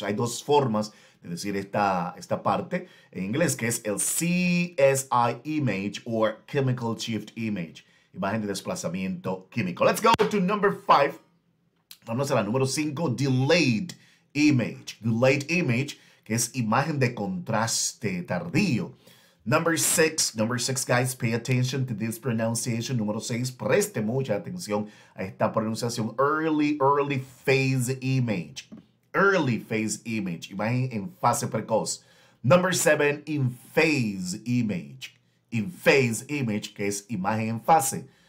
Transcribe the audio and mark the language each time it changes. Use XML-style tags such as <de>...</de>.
<es>Hay dos formas de decir esta parte en inglés, que es el CSI image or chemical shift image. Imagen de desplazamiento químico.</es> <en>Let's go to number five.</en> <es>Vamos a la número cinco, delayed image. Delayed image, que es imagen de contraste tardío.</es> <en>Number six, guys, pay attention to this pronunciation.</en> <es>Número seis, preste mucha atención a esta pronunciación.</es> <en>Early phase image. Early phase image.</en> <es>Imagen en fase precoz.</es> <en>Number seven, in phase image.</en> <es>In phase image, que es imagen en fase.</es>